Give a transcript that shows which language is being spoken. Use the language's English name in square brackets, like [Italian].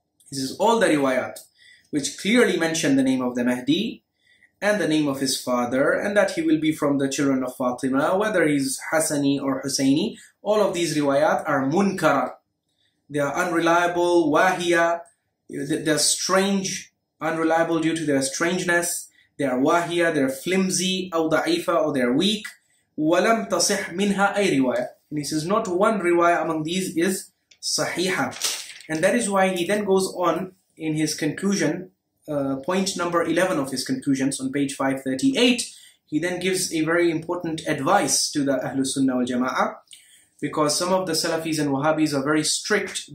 [English] This is all the riwayat which clearly mention the name of the Mahdi and the name of his father and that he will be from the children of Fatima, whether he's Hassani or Husayni. All of these riwayat are munkara. They are unreliable, wahiya, they're strange, unreliable due to their strangeness. They are wahiya, they're flimsy, [Arabic] أو ضعيفة, [English] or they're weak. [Arabic] وَلَمْ تَصِحْ مِنْهَا أَيْ riwayat. [English] And he says, not one riwayah among these is sahiha. And that is why he then goes on in his conclusion, point number 11 of his conclusions on page 538, he then gives a very important advice to the Ahlul Sunnah wal Jama'ah, because some of the Salafis and Wahhabis are very strict.